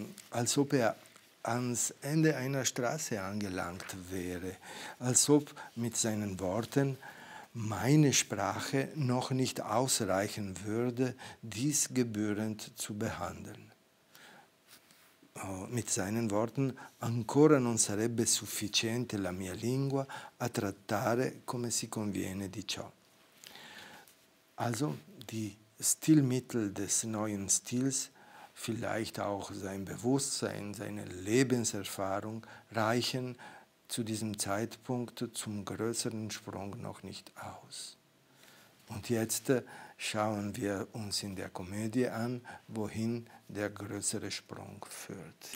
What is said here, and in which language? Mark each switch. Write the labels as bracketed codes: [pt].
[de] Als ob er ans Ende einer Straße angelangt wäre, als ob mit seinen Worten meine Sprache noch nicht ausreichen würde, dies gebührend zu behandeln. Mit seinen Worten, [it] ancora non sarebbe sufficiente la mia lingua a trattare come si conviene di ciò. [de] Also die Stilmittel des neuen Stils, vielleicht auch sein Bewusstsein, seine Lebenserfahrung, reichen zu diesem Zeitpunkt zum größeren Sprung noch nicht aus. Und jetzt schauen wir uns in der Komödie an, wohin der größere Sprung führt.